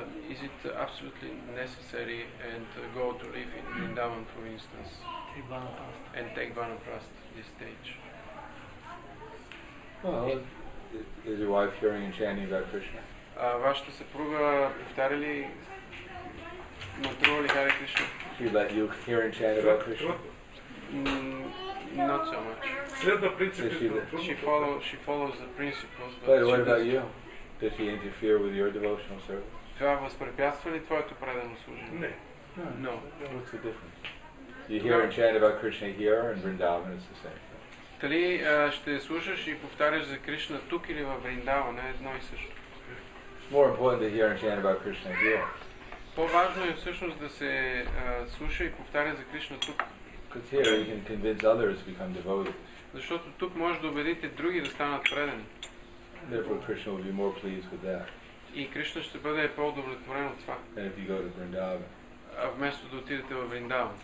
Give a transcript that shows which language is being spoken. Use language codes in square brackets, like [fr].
[en] Is it absolutely necessary and go to live in Vrindavan, for instance, and take Vanaprastha at this stage? Well, is your wife hearing and chanting about Krishna? [bg] Вашата съпруга повтаря ли, мантрува ли Хари Кришна? [en] She let you hear and chant about Krishna? Not so much. She follows the principles. But what about you? Does she interfere with your devotional service? [bg] Това възпрепятства ли твоето предано служение? Не. [en] No. What's the difference? You hear and chant about Krishna here and Vrindavan is the same. [bg] Дали ще слушаш и повтаряш за Кришна тук или в Вриндавана, едно и също. [en] It's more important to hear and chant about Krishna here. [bg] По-важно е всъщност да се слуша и повтаря за Кришна тук. [en] Because here you can convince others to become devotees. [bg] Защото тук може да убедите други да станат предани. [en] Therefore Krishna will be more pleased with that. [bg] И Кришна ще бъде по-удовлетворен от това. [en] And if you go to Vrindavan. [bg] Вместо да отидете в Вриндаван.